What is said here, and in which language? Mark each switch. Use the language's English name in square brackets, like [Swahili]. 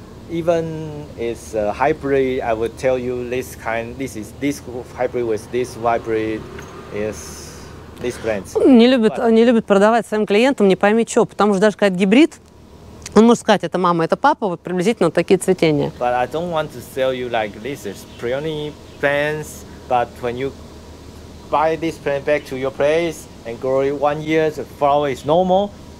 [English] Even it's a hybrid, I would tell you this kind, this is this hybrid with this hybrid is this plant. [Russian] Не любит продавать своим клиентам, не пойми что, потому что даже когда это гибрид, он может сказать, это мама, это папа, вот приблизительно вот такие цветения. [English] But I don't want to sell you like this is peony plants, but when you buy this plant back to your place and grow it 1 year, the flower is normal.